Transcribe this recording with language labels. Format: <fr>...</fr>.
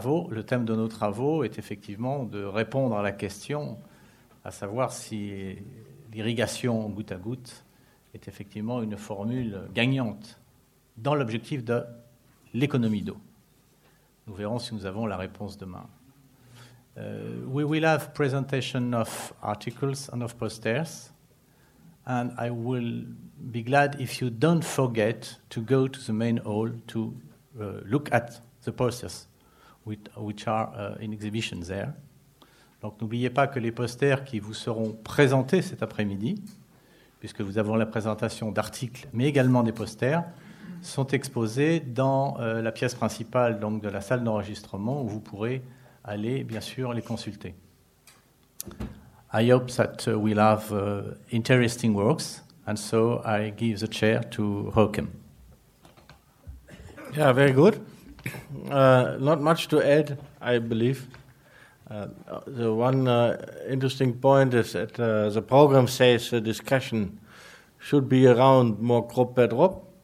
<fr>Le thème de nos travaux est effectivement de répondre à la question, à savoir si l'irrigation goutte à goutte est effectivement une formule gagnante dans l'objectif de l'économie d'eau. Nous verrons si nous avons la réponse demain.</fr> <en>We will have presentation of articles and of posters, and I will be glad if you don't forget to go to the main hall to look at the posters which are in exhibition there.</en> <fr>Donc n'oubliez pas que les posters qui vous seront présentés cet après-midi, puisque vous avons la présentation d'articles mais également des posters, sont exposés dans la pièce principale, donc de la salle d'enregistrement, où vous pourrez aller bien sûr les consulter.</fr> <en>I hope that we'll have interesting works, and so I give the chair to Håkon. Yeah, very good. Not much to add, I believe. The one interesting point is that the program says the discussion should be around more crop per drop.</en>